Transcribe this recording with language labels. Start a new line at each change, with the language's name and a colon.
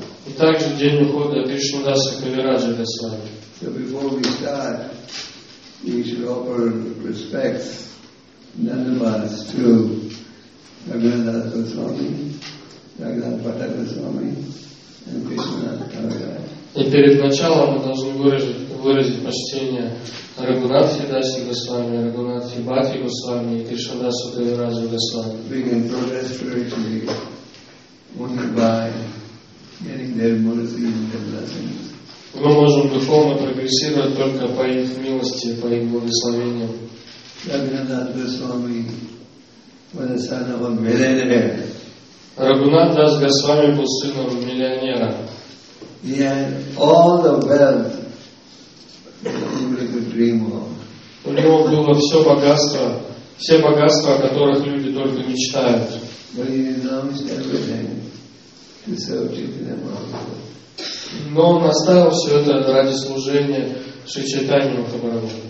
Russian: И также день ухода Кришнадаса Кавираджа Госвами.
English: So before we start, we should offer respects, nandamas to Raghunath Goswami, Raghunath Bhatta Goswami, and Krishnadas Kaviraj.
Russian: И перед началом мы должны выразить почтение Рагхунатхе Дасе Госвами, Рагхунатхе Бхатте Госвами и Кришнадасу Кавираджа Госвами.
English: Begin progressively, only by getting their mercy and their blessings.
Russian: Мы можем духовно прогрессировать только по их милости, по их благословениям.
English: Рагхунатха Госвами was the son of a millionaire.
Russian: Рагхунатха Дас Госвами был сыном миллионера.
English: He had all the wealth people could dream of.
Russian: У него было все богатства, о которых люди только мечтают.
English: But he renounced everything to serve Chaitanya Mahaprabhu.
Russian: Но он оставил все это ради служения Шри Чайтанья Махапрабху.